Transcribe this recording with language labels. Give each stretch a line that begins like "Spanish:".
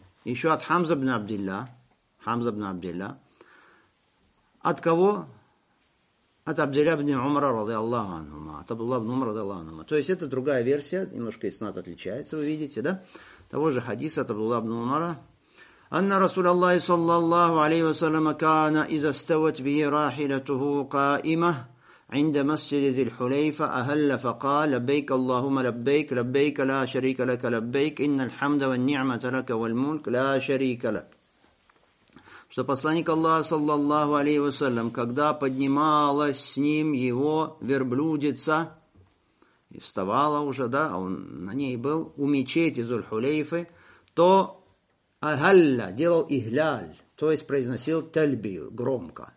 Russian: Еще от Хамза ибн Абдилля. Хамза ибн Абдилля. От кого? От Абдилля ибн Умара, ради Аллаху анхума. От Абдулла ибн Умара, ради Аллаху анхума. То есть это другая версия. Немножко иснад отличается, вы видите, да? Того же хадиса от Абдулла ибн Умара.
Arabic: أن رسول الله صلى الله عليه وسلم كان إذا استوت به راحلته قائمة عند مسجد ذي الحليفة أهل فقال لبيك اللهم لبيك لبيك لا شريك لك لبيك إن الحمد والنعمة لك والملك لا شريك لك.
Russian: Что посланник Аллаха
Arabic: صلى الله عليه وسلم,
Russian: когда поднималась с ним его верблюдица, и вставала уже, да, он на ней был, у мечети ذو الحليفة, то Агалля делал игляль, то есть произносил тальбию громко.